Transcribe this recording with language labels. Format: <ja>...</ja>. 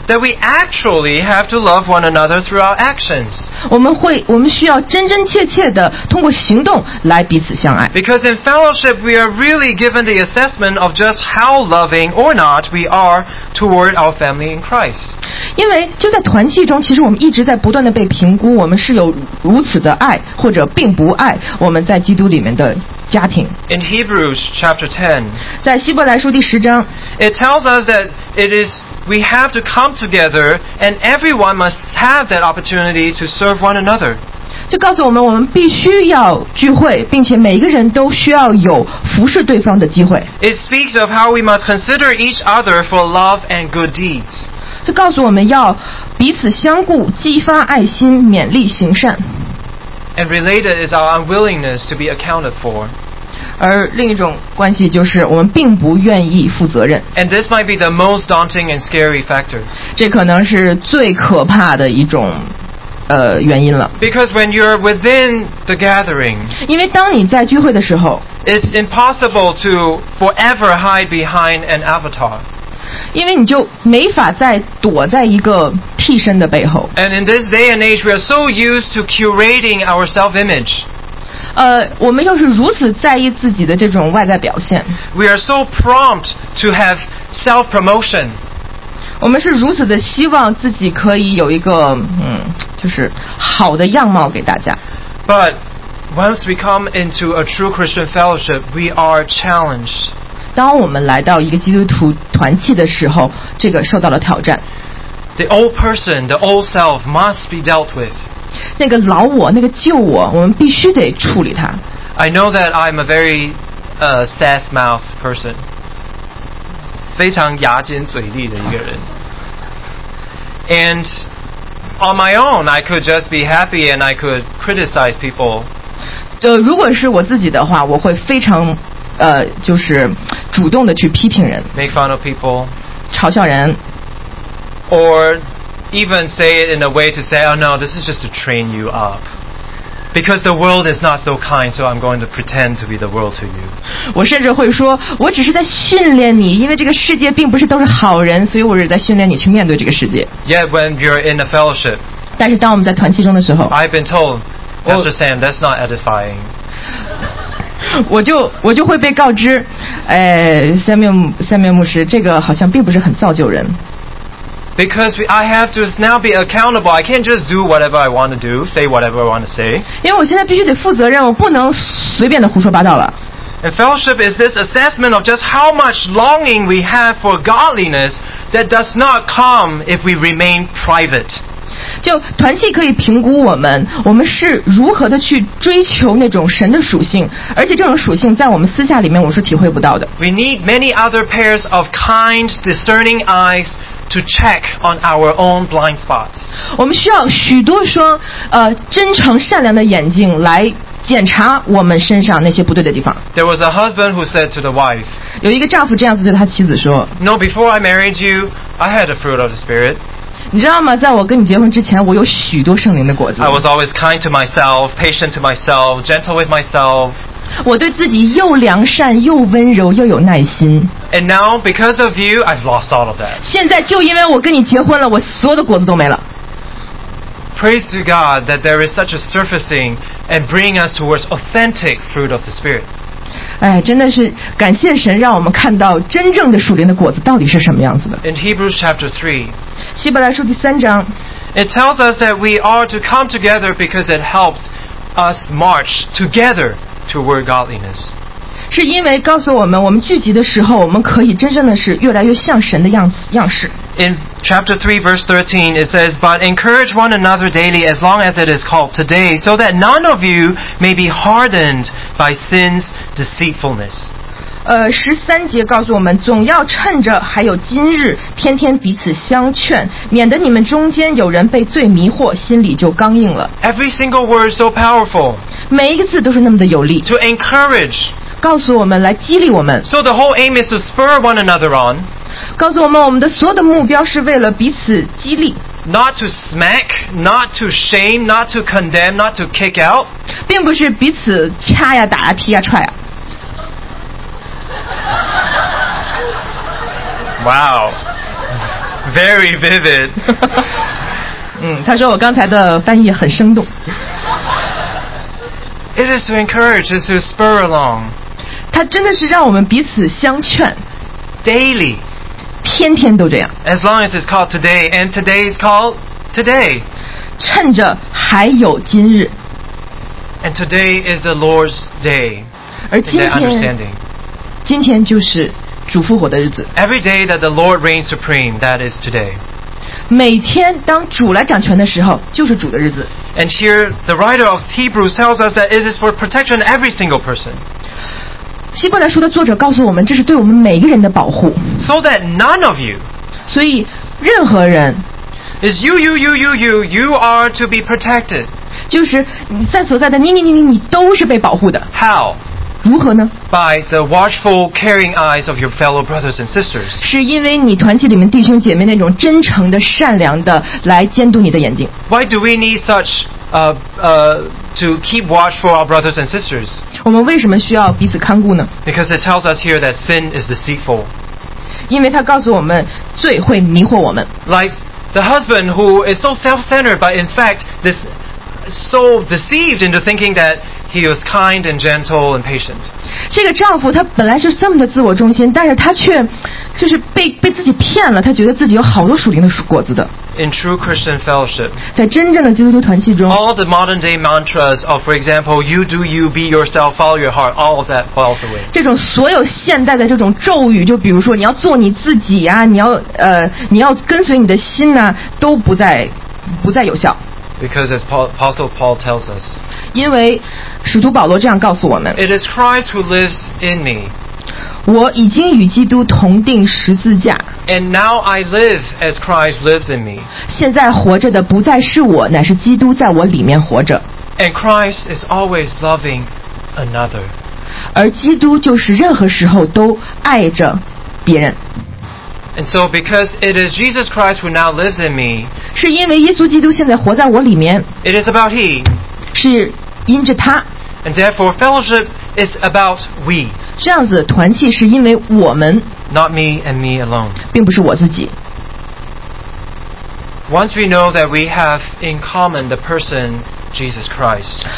<en>That we actually have to love one another through our actions.</en> <zh>我们需要真真切切的通过行动来彼此相爱。</zh> <en>Because in fellowship we are really given the assessment of just how loving or not we are toward our family in Christ.</en> <zh>因为就在团契中，其实我们一直在不断的被评估，我们是有如此的爱，或者并不爱我们在基督里面的。</zh> <en>In Hebrews chapter 10,</en> <zh>在希伯来书第十章</zh> <en>it tells us that it is we have to come together and everyone must have that opportunity to serve one another.</en> <zh>就告诉我们，我们必须要聚会，并且每一个人都需要有服侍对方的机会。</zh> <en>It speaks of how we must consider each other for love and good deeds.</en> <zh>就告诉我们要彼此相顾，激发爱心，勉励行善。</zh> <en>And related is our unwillingness to be accounted for.</en> <zh>而另一种关系就是我们并不愿意负责任。</zh> <en>And this might be the most daunting and scary factor.</en> <zh>这可能是最可怕的一种原因了。</zh> <en>Because when you're within the gathering,</en> <zh>因为当你在聚会的时候</zh> <en>it's impossible to forever hide behind an avatar.</en> <zh>因为你就没法再躲在一个替身的背后。</zh> <en>And in this day and age, we are so used to curating our self-image.</en> <zh>我们又是如此在意自己的这种外在表现。</zh> <en>We are so prompt to have self-promotion.</en> <zh>我们是如此的希望自己可以有一个就是好的样貌给大家。</zh> <en>But once we come into a true Christian fellowship, we are challenged.</en> <zh>当我们来到一个基督徒团契的时候，这个受到了挑战。</zh> <en>The old person, the old self must be dealt with.</en> <zh>那个老我，那个旧我，我们必须得处理它。</zh> <en>I know that I'm a very, sass mouth person.</en> <zh>非常牙尖嘴利的一个人。</zh> <en>And on my own, I could just be happy and I could criticize people.</en> <zh>如果是我自己的话，我会非常，就是主动的去批评人。</zh> <en>Make fun of people.</en> <zh>嘲笑人。</zh> <en>Or even say it in a way to say, oh no, this is just to train you up. Because the world is not so kind, so I'm going to pretend to be the world to you.</en> <zh>我甚至会说，我只是在训练你，因为这个世界并不是都是好人，所以我是在训练你去面对这个世界。</zh> <en>Yet when you're in a fellowship,</en> <zh>但是当我们在团契中的时候，</zh> <en>I've been told, Pastor Sam, that's not edifying.</en> <zh>我就会被告知，Samuel 牧师，这个好像并不是很造就人。</zh> <en>Because I have to now be accountable. I can't just do whatever I want to do, say whatever I want to say.</en> <zh>因为我现在必须得负责任，我不能随便的胡说八道了。</zh> <en>And fellowship is this assessment of just how much longing we have for godliness that does not come if we remain private.</en> <zh>就团契可以评估我们是如何的去追求那种神的属性，而且这种属性在我们私下里面我是体会不到的。</zh> <en>We need many other pairs of kind, discerning eyes. To check on our own blind spots.</en> <zh>我们需要许多双真诚善良的眼睛来检查我们身上那些不对的地方。</zh> <en>There was a husband who said to the wife.</en> <zh>有一个丈夫这样子对他妻子说。</zh> <en>No, before I married you, I had the fruit of the spirit.</en> <zh>你知道吗？在我跟你结婚之前，我有许多圣灵的果子。</zh> <en>I was always kind to myself, patient to myself, gentle with myself.</en> <zh>我对自己又良善又温柔又有耐心。</zh> <en>And now, because of you, I've lost all of that.</en> <zh>现在就因为我跟你结婚了，我所有的果子都没了。</zh> <en>Praise to God that there is such a surfacing and bringing us towards authentic fruit of the Spirit.</en> <zh>哎，真的是感谢神，让我们看到真正的属灵的果子到底是什么样子的。</zh> <en>In Hebrews chapter 3,</en> <zh>希伯来书第三章，</zh> <en>it tells us that we are to come together because it helps us march together. Toward godliness.</en> <zh>是因为告诉我们，我们聚集的时候，我们可以真正的是越来越像神的样式。</zh> <en>In chapter 3, verse 13, it says, But encourage one another daily as long as it is called today, so that none of you may be hardened by sin's deceitfulness.</en> <zh>十三节告诉我们，总要趁着还有今日，天天彼此相劝，免得你们中间有人被罪迷惑，心里就刚硬了。</zh> <en>Every single word is so powerful.</en> <zh>每一个字都是那么的有力。</zh> <en>To encourage,</en> <zh>告诉我们，来激励我们。</zh> <en>So the whole aim is to spur one another on.</en> <zh>告诉我们，我们的所有的目标是为了彼此激励。</zh> <en>Not to smack, not to shame, not to condemn, not to kick out.</en> <zh>并不是彼此掐呀、打呀、踢呀、踹呀。</zh> <en>Wow, very vivid.</en> <zh>他说我刚才的翻译很生动。</zh> <en>It is to encourage, it is to spur along.</en> <zh>它真的是让我们彼此相劝。</zh> <en>Daily.</en> <zh>天天都这样。</zh> <en>As long as it's called today, and today is called today.</en> <zh>趁着还有今日。</zh> <en>And today is the Lord's day.</en> <zh>而今天，</zh> <en>in their understanding.</en> <zh>今天就是主复活的日子。</zh> <en>Every day that the Lord reigns supreme, that is today.</en> <zh>每天当主来掌权的时候，就是主的日子。</zh> <en>And here, the writer of Hebrews tells us that it is for protection every single person.</en> <zh>希伯来书的作者告诉我们，这是对我们每个人的保护。</zh> <en>So that none of you.</en> <zh>所以任何人。</zh> <en>Is you. You are to be protected.</en> <zh>就是你在所在的你都是被保护的。</zh> <en>How?</en> <zh>如何呢？</zh> <en>By the watchful, caring eyes of your fellow brothers and sisters.</en> <zh>是因为你团契里面弟兄姐妹那种真诚的、善良的来监督你的眼睛。</zh> <en>Why do we need such to keep watch for our brothers and sisters?</en> <zh>我们为什么需要彼此看顾呢？</zh> <en>Because it tells us here that sin is deceitful.</en> <zh>因为它告诉我们罪会迷惑我们。</zh> <en>Like the husband who is so self-centered, but in fact this so deceived into thinking that. He was kind and gentle and patient.</en> <zh>这个丈夫他本来是这么的自我中心，但是他却就是被自己骗了，他觉得自己有好多属灵的果子的。</zh> <en>In true Christian fellowship,</en> <zh>在真正的基督徒团契中</zh> <en>，all the modern day mantras of, for example, you do you, be yourself, follow your heart, all of that falls away.</en> <zh>这种所有现代的这种咒语，就比如说你要做你自己啊，你要跟随你的心呐、啊，都不再有效。</zh> <en>Because as Apostle Paul tells us,</en> <zh>因为使徒保罗这样告诉我们</zh> <en>，it is Christ who lives in me.</en> <zh>我已经与基督同钉十字架。</zh> <en>And now I live as Christ lives in me.</en> <zh>现在活着的不再是我，乃是基督在我里面活着。</zh> <en>And Christ is always loving another.</en> <zh>而基督就是任何时候都爱着别人。</zh> <en>And so because it is Jesus Christ who now lives in me,</en> <zh>是因为耶稣基督现在活在我里面。</zh> <en>It is about He.</en> <zh>是因着他。</zh> <en>And therefore fellowship is about we.</en> <zh>这样子团契是因为我们</zh> <en>not me and me alone.</en> <zh>并不是我自己。</zh> <en>Once we know that we have in common the person Jesus Christ.</en>